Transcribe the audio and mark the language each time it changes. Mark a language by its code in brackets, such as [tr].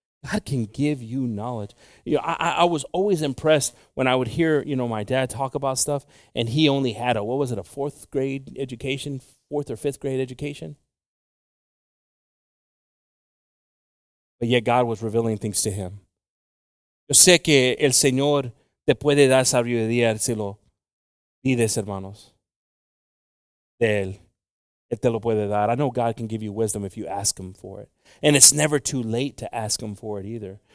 [en] God can give you knowledge. You know, I was always impressed when I would hear, you know, my dad talk about stuff, and he only had a fourth or fifth grade education. But yet God was revealing things to him. [es] Yo sé que el Señor te puede dar sabiduría si lo pides, hermanos. De él. Él te lo puede dar. [en] I know God can give you wisdom if you ask him for it. And it's never too late to ask him for it either.